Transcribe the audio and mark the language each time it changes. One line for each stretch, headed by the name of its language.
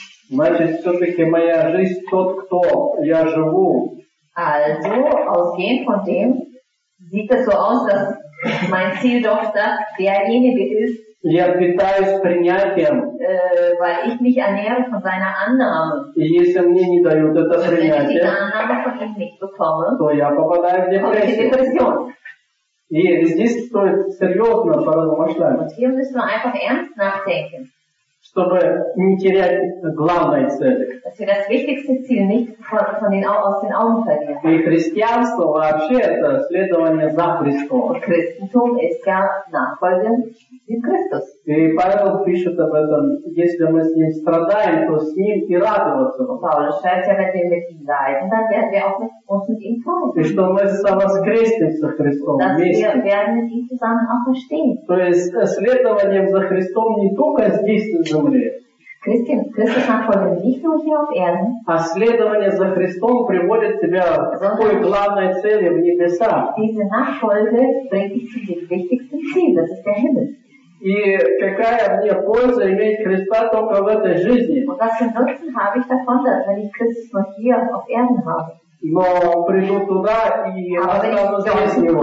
Russian: Значит, все-таки моя жизнь тот, кто я живу.
German: Also, ausgehend von dem, sieht es so aus, dass mein Ziel doch derjenige ist,
Russian: я питаюсь принятием.
German: Weil ich mich ernähre von seiner Annahme.
Russian: И если мне не дают это принятие,
German: wenn ich diese Annahme von ihm nicht bekomme,
Russian: то я попадаю в депрессию. И здесь стоит серьезно поразмышлять.
German: Und hier müssen wir einfach ernst nachdenken.
Russian: Чтобы не терять главной цели.
German: Dass wir das wichtigste Ziel nicht aus den Augen verlieren.
Russian: И христианство вообще это следование за Христом.
German: Und Christentum ist ja nachfolgend.
Russian: И Павел пишет об этом, если мы с ним страдаем, то с ним и радоваться будем. Павел пишет об этом, если мы страдаем, то с ним и радоваться будем. И что мы воскреснем со Христом вместе. То есть следованием за Христом не только здесь, на земле.
German: Christus nachfolgen nicht nur hier auf Erden.
Russian: А следование за Христом приводит тебя к твоей главной цели в небеса.
German: Diese Nachfolge bringt dich zu dem wichtigsten Ziel, das ist der Himmel.
Russian: И какая мне польза иметь Христа только в этой жизни?
German: Und was für Nutzen habe ich davon, dass wenn ich Christus nur hier auf Erden habe?
Russian: Но приду туда и останусь без него.